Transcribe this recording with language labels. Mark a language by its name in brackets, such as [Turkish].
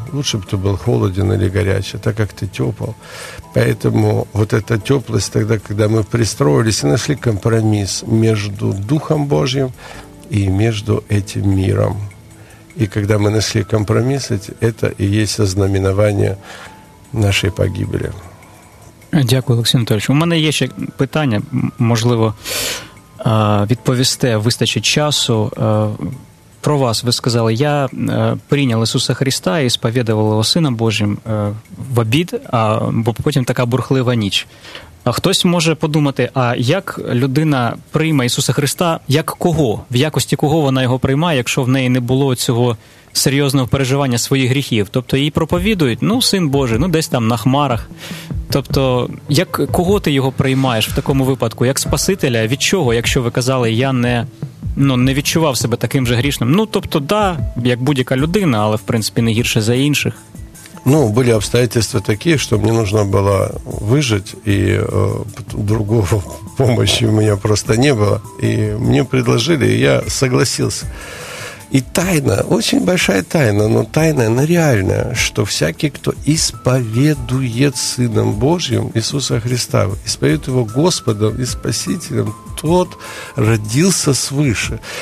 [Russian] Лучше бы ты был холоден или горячий, так как ты тепл. Поэтому вот эта теплость тогда, когда мы пристроились и нашли компромисс между Духом Божьим и между этим миром. И когда мы нашли компромисс, это и есть ознаменование нашей погибели. [Ukrainian] Дякую, Олексій Анатолійович. У мене є ще питання, можливо, відповісте, вистачить часу. Про вас ви сказали, я прийняв Ісуса Христа і сповідував Його Сином Божим в обід, бо потім така бурхлива ніч. А хтось може подумати, а як людина прийме Ісуса Христа, як кого? В якості кого вона його приймає, якщо в неї не було цього серйозного переживання своїх гріхів? Тобто їй проповідують, ну, Син Божий, ну, десь там на хмарах. Тобто, як, кого ти його приймаєш в такому випадку? Як Спасителя? Від чого? Якщо ви казали, я не, ну, не відчував себе таким же грішним. Ну, тобто, да, як будь-яка людина, але, в принципі, не гірше за інших. [Russian] Ну, были обстоятельства такие, что мне нужно было выжить, и другого помощи у меня просто не было. И мне предложили, и я согласился. И тайна, очень большая тайна, но тайна, она реальная, что всякий, кто исповедует Сыном Божьим Иисуса Христа, исповедует Его Господом и Спасителем, тот родился свыше.